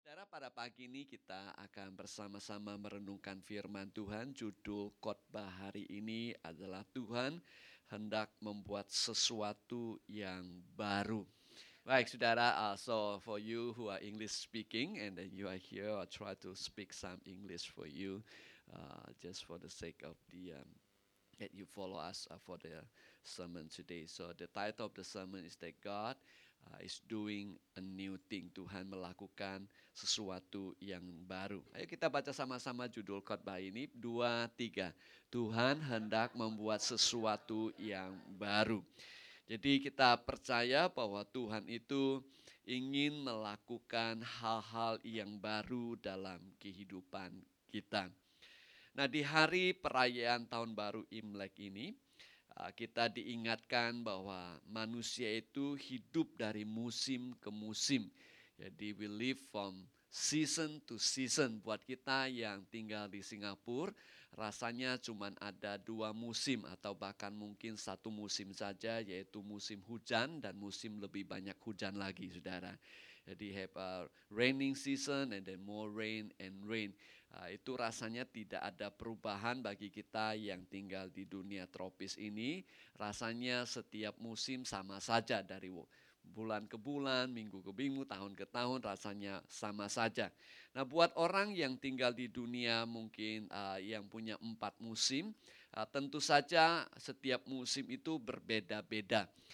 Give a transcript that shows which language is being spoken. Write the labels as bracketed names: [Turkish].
[Indonesian] pada pagi ini kita akan bersama-sama merenungkan firman Tuhan. Judul khotbah hari ini adalah Tuhan hendak membuat sesuatu yang baru. Baik, saudara, [English] so for you who are English speaking and then you are here, I'll try to speak some English for you just for the sake of the that you follow us for the sermon today. So the title of the sermon is that God is doing a new thing. [Indonesian] Tuhan melakukan sesuatu yang baru. Ayo kita baca sama-sama judul khotbah ini. 2, 3. Tuhan hendak membuat sesuatu yang baru. Jadi kita percaya bahwa Tuhan itu ingin melakukan hal-hal yang baru dalam kehidupan kita. Nah, di hari perayaan tahun baru Imlek ini, kita diingatkan bahwa manusia itu hidup dari musim ke musim. Jadi [English] we live from season to season. [Indonesian] Buat kita yang tinggal di Singapura, rasanya cuma ada 2 musim atau bahkan mungkin 1 musim saja, yaitu musim hujan dan musim lebih banyak hujan lagi, saudara. Jadi [English] have a raining season and then more rain and rain. [Indonesian] Itu rasanya tidak ada perubahan bagi kita yang tinggal di dunia tropis ini. Rasanya setiap musim sama saja dari bulan ke bulan, minggu ke minggu, tahun ke tahun, rasanya sama saja. Nah, buat orang yang tinggal di dunia mungkin yang punya 4 musim, tentu saja setiap musim itu berbeda-beda.